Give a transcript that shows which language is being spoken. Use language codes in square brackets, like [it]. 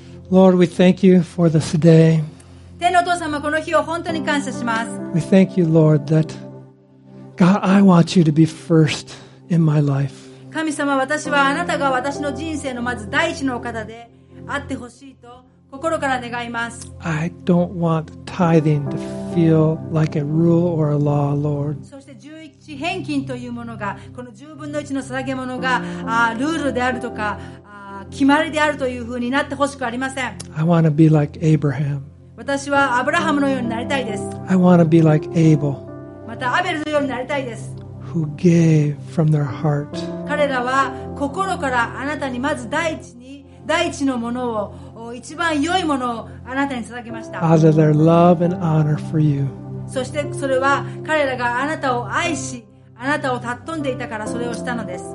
[en] Lord, we thank you for this day. [ja] 天のお父様、この日を本当に感謝します。 [en] We thank you, Lord, that God, I want you to be first in my life. [ja] 神様、私はあなたが私の人生のまず第一のお方であってほしいと心から願います。 [en] I don't want tithing to feel like a rule or a law, Lord. [ja] そして十一返金というものが、この十分の一の捧げ物がルールであるとか決まりであるというふうになってほしくありません。 [en] I want to be like Abraham. [ja] 私はアブラハムのようになりたいです。 [en] I want to be like Abel. [ja] またアベルのようになりたいです。 [en] Who gave from their heart. [ja] 彼らは心からあなたにまず第一に第一のものを、一番良いものをあなたに捧げました。 [en] Out of their love and honor for you. [ja] そしてそれは彼らがあなたを愛し、あなたを尊んでいたからそれをしたのです。